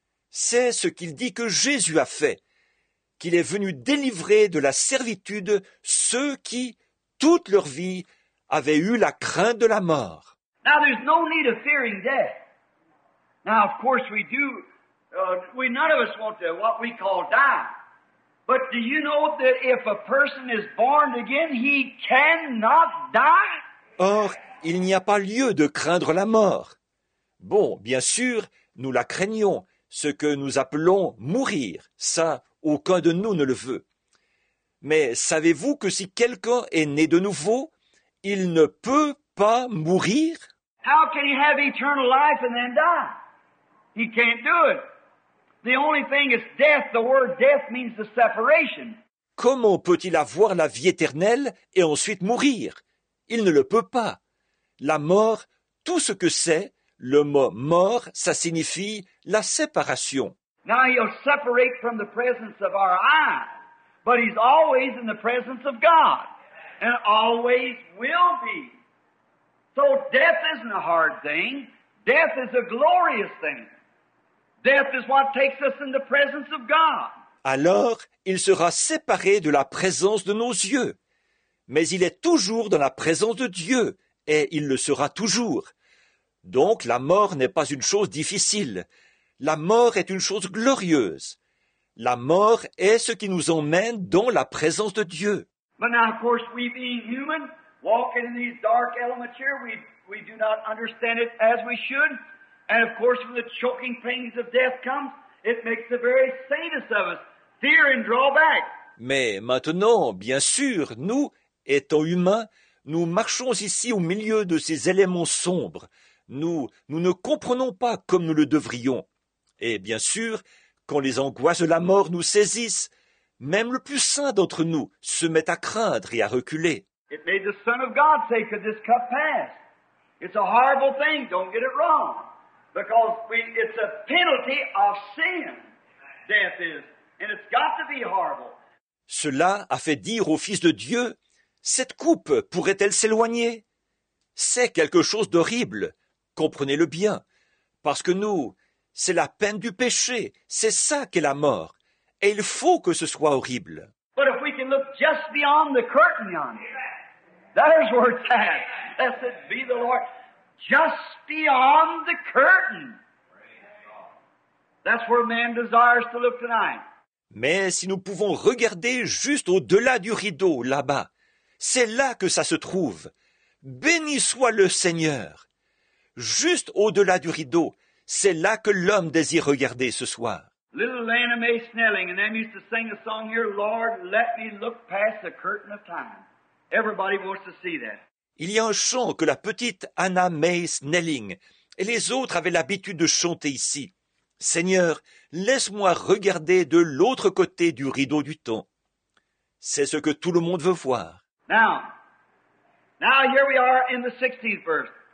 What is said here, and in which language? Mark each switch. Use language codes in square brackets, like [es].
[fr] C'est ce qu'il dit que Jésus a fait, qu'il est venu délivrer de la servitude ceux qui, toute leur vie, avaient eu la crainte de la mort. [en] Now there's no need of fearing death. Now of course we do, we none of us want to what we call die. But do you know that if a person is born again, he cannot die? [fr] Or, il n'y a pas lieu de craindre la mort. Bon, bien sûr, nous la craignons, ce que nous appelons mourir. Ça, aucun de nous ne le veut. Mais savez-vous que si quelqu'un est né de nouveau, il ne peut pas mourir? [en] How can he have eternal life and then die? He can't do it. The only thing is death. The word death means the separation. [fr] Comment peut-il avoir la vie éternelle et ensuite mourir? Il ne le peut pas. La mort, tout ce que c'est, le mot mort, ça signifie la séparation. [en] Now he'll separate from the presence of our eyes, but he's always in the presence of God, and always will be. So death isn't a hard thing. Death is a glorious thing. Death is what takes us in the presence of God. [fr] Alors, il sera séparé de la présence de nos yeux. Mais il est toujours dans la présence de Dieu, et il le sera toujours. Donc, la mort n'est pas une chose difficile. La mort est une chose glorieuse. La mort est ce qui nous emmène dans la présence de Dieu. [en] But now, of course, we being human, walking in these dark elements here, we do not understand it as we should. And of course, when the choking pains of death comes, it makes the very saintest of us fear and draw back. [fr] Mais maintenant, bien sûr, nous, étant humains, nous marchons ici au milieu de ces éléments sombres. Nous ne comprenons pas comme nous le devrions. Et bien sûr, quand les angoisses de la mort nous saisissent, même le plus saint d'entre nous se met à craindre et à reculer. [en] It made the Son of God say, "Could this cup pass?" It's a horrible thing. Don't get it wrong. Because it's a penalty of sin, death is, and it's got to be horrible. [fr] Cela a fait dire au Fils de Dieu, cette coupe pourrait-elle s'éloigner? C'est quelque chose d'horrible, comprenez-le bien, parce que nous, c'est la peine du péché, c'est ça qu'est la mort, et il faut que ce soit horrible. [en] But if we can look just beyond the curtain yonder, there's where it's at, blessed be the Lord. Just beyond the curtain. That's where man desires to look tonight. [fr] Mais si nous pouvons regarder juste au-delà du rideau, là-bas, c'est là que ça se trouve. Béni soit le Seigneur. Juste au-delà du rideau, c'est là que l'homme désire regarder ce soir. [en] Little Lana Mae Snelling, and them used to sing a song here, Lord, let me look past the curtain of time. Everybody wants to see that. [fr] Il y a un chant que la petite Anna Mae Snelling et les autres avaient l'habitude de chanter ici. « Seigneur, laisse-moi regarder de l'autre côté du rideau du temps. » C'est ce que tout le monde veut voir. [en] Now here we are in the 16th verse.